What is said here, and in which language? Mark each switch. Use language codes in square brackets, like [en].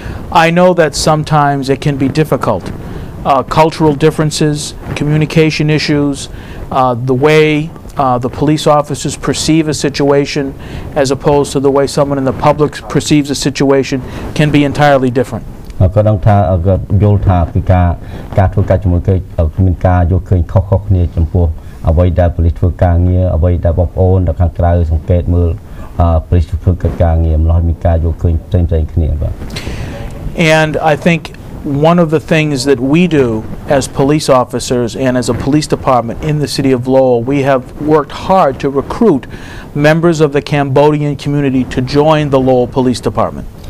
[en] I know that sometimes it can be difficult. Cultural differences, communication issues, the way the police officers perceive a situation as opposed to the way someone in the public perceives a situation can be entirely different. [km] ក៏ដឹងថាក៏យល់ថាពីការធ្វើការជាមួយគេមានការយល់ឃើញខុសៗគ្នាចំពោះអ្វីដែលប៉ូលីសធ្វើការងារអ្វីដែលបងប្អូនដល់ខាងក្រៅសង្កេតមើលប៉ូលីសធ្វើការងារម្លោះមានការយល់ឃើញផ្សេងៗគ្នាបាទ [en] And I think one of the things that we do as police officers and as a police department in the city of Lowell, we have worked hard to recruit members of the Cambodian community to join the Lowell Police Department.